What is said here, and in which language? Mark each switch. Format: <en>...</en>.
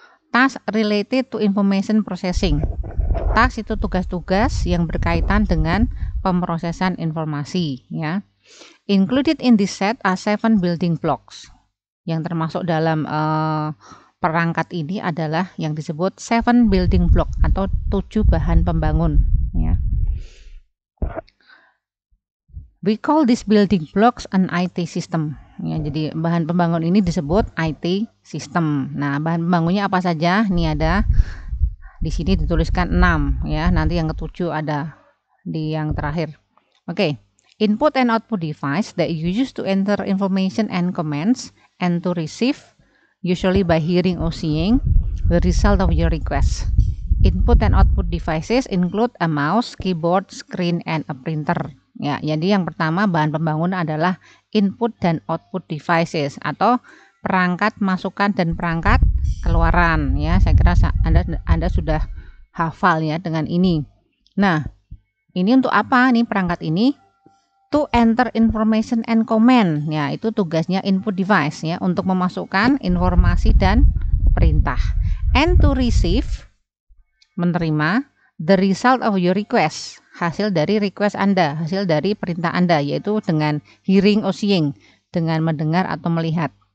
<en>Task related to information processing.</en> <id>Task itu tugas-tugas yang berkaitan dengan pemrosesan informasi, ya.</id> <en>Included in this set are 7 building blocks.</en> <id>Yang termasuk dalam perangkat ini adalah yang disebut 7 building block atau 7 bahan pembangun, ya.</id> <en>We call these building blocks an IT system.</en> <id>Ya, jadi bahan pembangun ini disebut IT system. Nah, bahan pembangunnya apa saja? Ini ada di sini dituliskan 6 ya. Nanti yang ketujuh ada di yang terakhir. Oke. Okay.</id> <en>Input and output device that you use to enter information and commands and to receive usually by hearing or seeing the result of your request. Input and output devices include a mouse, keyboard, screen and a printer.</en> <id>Ya, jadi yang pertama bahan pembangun adalah input dan output devices atau perangkat masukan dan perangkat keluaran, ya. Saya kira Anda sudah hafal ya dengan ini. Nah, ini untuk apa nih perangkat ini?</id> <en>To enter information and command,</en> <id>ya. Itu tugasnya input device ya, untuk memasukkan informasi dan perintah.</id> <en>And to receive, menerima the result of your request.</en> <id>Hasil dari request Anda, hasil dari perintah Anda, yaitu dengan</id> <en>hearing or seeing,</en> <id>dengan mendengar atau melihat.</id>